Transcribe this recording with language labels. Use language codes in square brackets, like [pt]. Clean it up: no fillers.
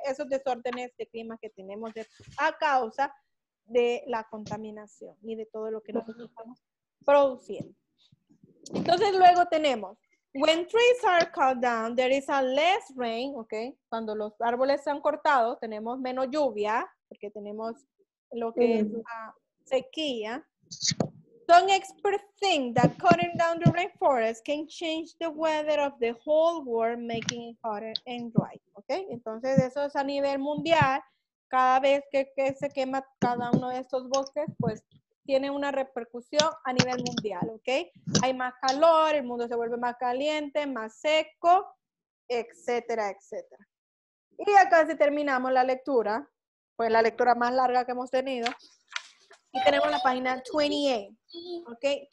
[es] Esos desórdenes de clima que tenemos a causa de la contaminación y de todo lo que nosotros estamos produciendo. Entonces luego tenemos, [en] when trees are cut down, there is a less rain, ¿ok? [es] Cuando los árboles se han cortado, tenemos menos lluvia, porque tenemos lo que es la sequía. [en] Some experts think that cutting down the rainforest can change the weather of the whole world, making it hotter and dry, ¿ok? [es] Entonces eso es a nivel mundial, cada vez que se quema cada uno de estos bosques, pues tiene una repercusión a nivel mundial, ¿ok? Hay más calor, el mundo se vuelve más caliente, más seco, etcétera, etcétera. Y acá si terminamos la lectura, pues la lectura más larga que hemos tenido, y tenemos la página 28, ¿ok?